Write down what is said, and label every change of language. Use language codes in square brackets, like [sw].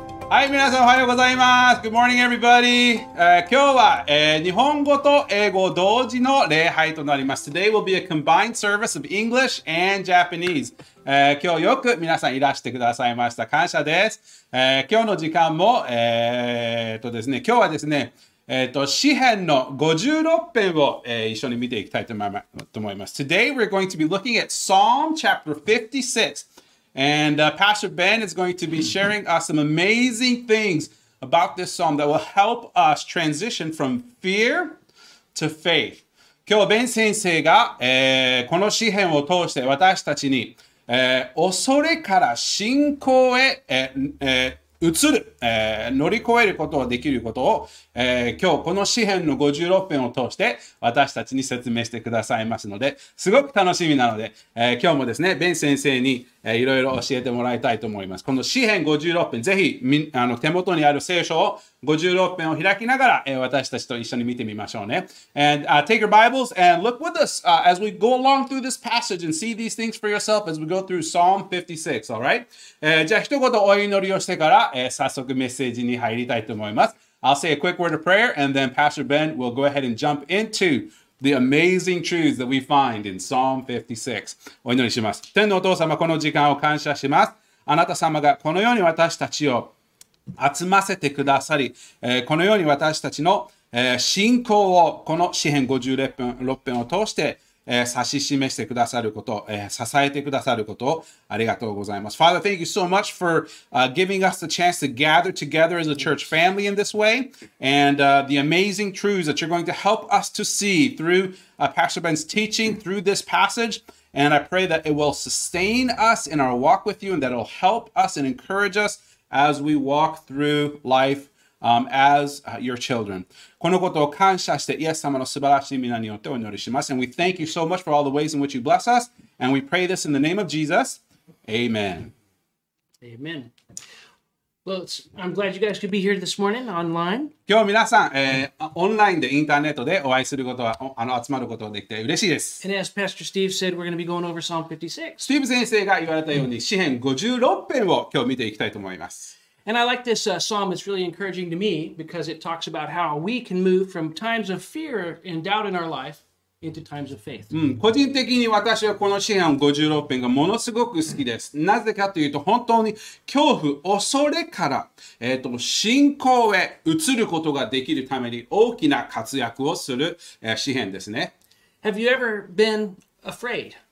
[ja] Hi, 皆さん、おはようございます。 [en] Good morning, everybody. [ja] 今日は、日本語と英語同時の礼拝となります。 [en] Today will be a combined service of English and Japanese. [ja] 今日よく皆さんいらしてくださいました。感謝です。今日の時間も、ですね、今日はですね、詩編の56編を、一緒に見ていきたいと思います。 [en] Today we're going to be looking at Psalm chapter 56. And Pastor Ben is going to be sharing us some amazing things about this psalm that will help us transition from fear to faith. [ja] 今日、ベン先生が、この詩編を通して私たちに、恐れから信仰へ、移る、乗り越えることができることを、今日この詩編の56編を通して私たちに説明してくださいますのですごく楽しみなので、今日もですねベン先生にいろいろ教えてもらいたいと思います。この詩編56編ぜひ手元にある聖書を56編を開きながら、私たちと一緒に見てみましょうね。 [en] And, take your Bibles and look with us, as we go along through this passage and see these things for yourself as we go through Psalm 56, alright?、 [ja] じゃあ一言お祈りをしてから、早速メッセージに入りたいと思います。 [en] I'll say a quick word of prayer, and then Pastor Ben will go ahead and jump into the amazing truths that we find in Psalm 56. [ja] お祈りします。天のお父様、この時間を感謝します。あなた様がこのように私たちを集ませてくださり、このように私たちの信仰をこの詩編56編を通して指し示してくださること、支えてくださることをありがとうございます。 [en] Father, thank you so much for giving us the chance to gather together as a church family in this way, and the amazing truths that you're going to help us to see through Pastor Ben's teaching, through this passage, and I pray that it will sustain us in our walk with you, and that it'll help us and encourage us as we walk through life as your children. [ja] このことを感謝して、イエス様の素晴らしい皆によってお祈りします。 [en] And we thank you so much for all the ways in which you bless us. And we pray this in the name of Jesus. Amen. Amen. Well, I'm glad you guys could be here this morning online. [ja] 今日皆さん、オンラインでインターネットでお会いすることは、集まることができて嬉しいです。 [en] And as Pastor Steve said, we're going to be going over Psalm 56. [ja] スティーブ先生が言われたように、詩編56編を今日見ていきたいと思います。 [en] And I like this psalm. It's really encouraging to me because it talks about how we can move from times of fear and doubt in our life into times of faith. [ja] 個人的に私はこの詩編56編がものすごく好きです。なぜかというと本当に恐怖、恐れから、信仰へ移ることができるために大きな活躍をする、詩編ですね。 [en] Have you ever been afraid?